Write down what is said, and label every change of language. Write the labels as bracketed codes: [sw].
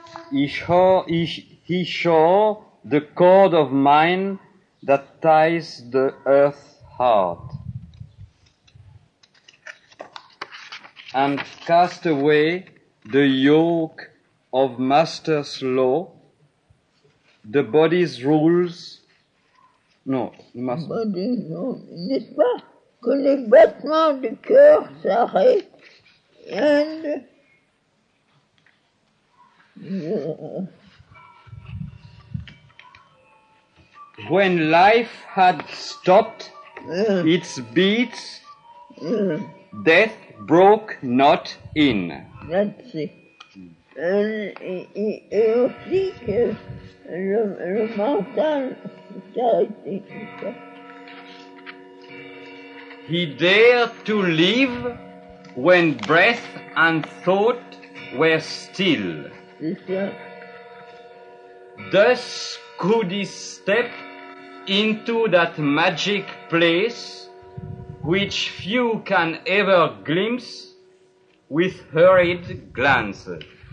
[en] He saw the cord of mine that ties the earth's heart and cast away the yoke of master's law, the body's rules. [fr] N'est-ce pas que les battements du cœur s'arrêtent et [en] when life had stopped its beats, death broke not in. That's it. [fr] Et aussi que le mental s'arrêtait tout ça. [en] He dared to live when breath and thought were still. [fr] C'est ça. [en] thus could he step into that magic place which few can ever glimpse with hurried glances.